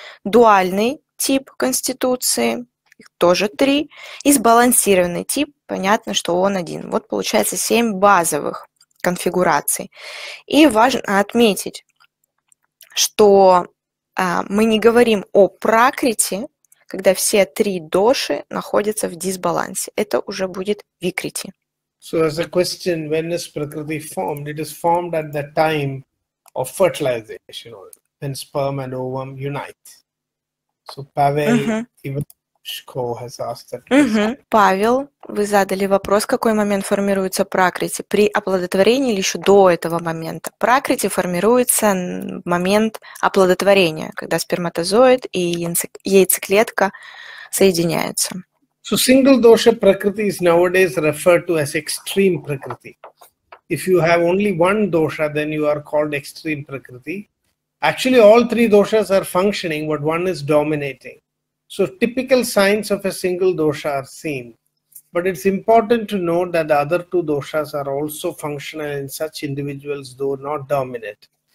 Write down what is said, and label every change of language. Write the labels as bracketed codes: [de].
[ru] Дуальный тип конституции. Их тоже три. И сбалансированный тип. Понятно, что он один. Вот получается семь базовых конфигураций. И важно отметить, что мы не говорим о пракрити, когда все три доши находятся в дисбалансе. Это уже будет викрити. [en] So as a question, when is prakriti formed? It is formed at the time of fertilization, when sperm and ovum unite. So Pavel Ivanushko has asked that question. [ru] Павел, вы задали вопрос, какой момент формируется пракрити? При оплодотворении или еще до этого момента? Пракрити формируется в момент оплодотворения, когда сперматозоид и яйцеклетка соединяются. [en] So single dosha prakriti is nowadays referred to as extreme prakriti. If you have only one dosha, then you are called extreme prakriti. Actually, all three doshas are functioning, but one is dominating. So typical signs of a single dosha are seen. But it's important to note that the other two doshas are also functional in such individuals, though not dominant.